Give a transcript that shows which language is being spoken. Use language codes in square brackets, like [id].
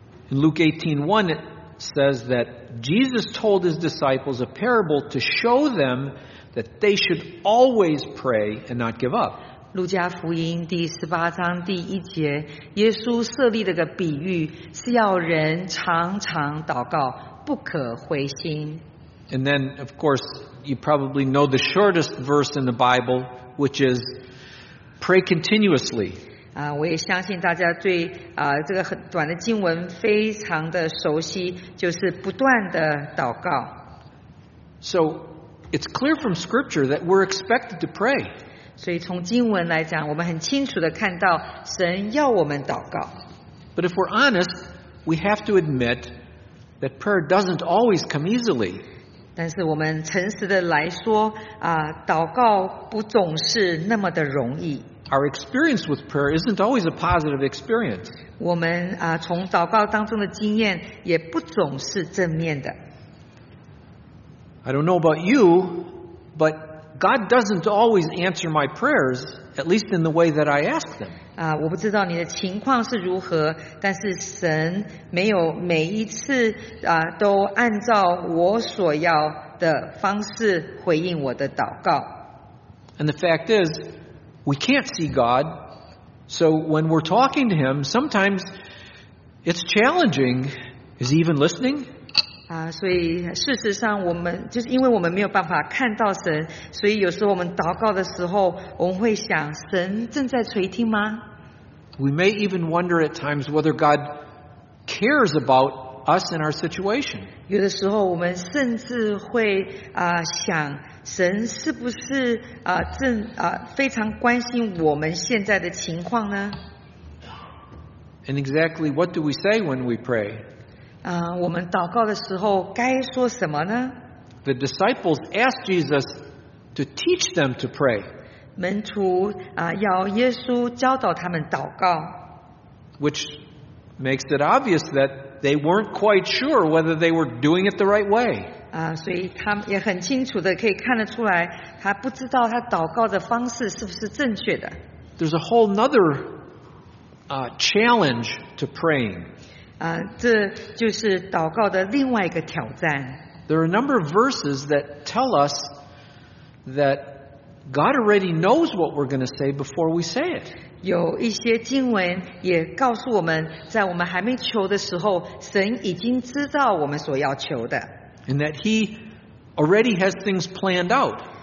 [en] In Luke 18:1, it says that Jesus told his disciples a parable to show them that they should always pray and not give up. [zh] 路加福音第十八章第一节，耶稣设立了个比喻，是要人常常祷告，不可灰心。 [en] And then, of course, you probably know the shortest verse in the Bible, which is pray continuously. [zh] 我也相信大家对这个很短的经文非常的熟悉，就是不断的祷告。 [en] So it's clear from Scripture that we're expected to pray. [zh] 所以从经文来讲，我们很清楚的看到神要我们祷告。 [en] But if we're honest, we have to admit that prayer doesn't always come easily. [zh] 但是我们诚实的来说祷告不总是那么的容易。 [en] Our experience with prayer isn't always a positive experience. [zh] 我们从祷告当中的经验也不总是正面的。 [en] I don't know about you, but God doesn't always answer my prayers, at least in the way that I ask them. [zh] 我不知道你的情况是如何，但是神没有每一次都按照我所要的方式回应我的祷告。 [en] And the fact is,We can't see God, so when we're talking to Him, sometimes it's challenging. Is He even listening? [zh] 所以事实上我们就是因为我们没有办法看到神，所以有时候我们祷告的时候，我们会想，神正在垂听吗？ [en] We may even wonder at times whether God cares about us and our situation. [zh] 有的时候我们甚至会想。神是不是非常关心我们现在的情况呢？ [en] And exactly what do we say when we pray? [zh] 我们祷告的时候该说什么呢？ [en] The disciples asked Jesus to teach them to pray. [zh] 门徒要耶稣教导他们祷告。 [en] Which makes it obvious that they weren't quite sure whether they were doing it the right way. [zh] 所以他也很清楚的可以看得出来，他不知道他祷告的方式是不是正确的。 [en] There's a whole another challenge to praying. [zh] 这就是祷告的另外一个挑战。 [en] There are a number of verses that tell us that God already knows what we're going to say before we say it. [zh] 有一些经文也告诉我们，在我们还没求的时候，神已经知道我们所要求的。 [en] And that He already has things planned out.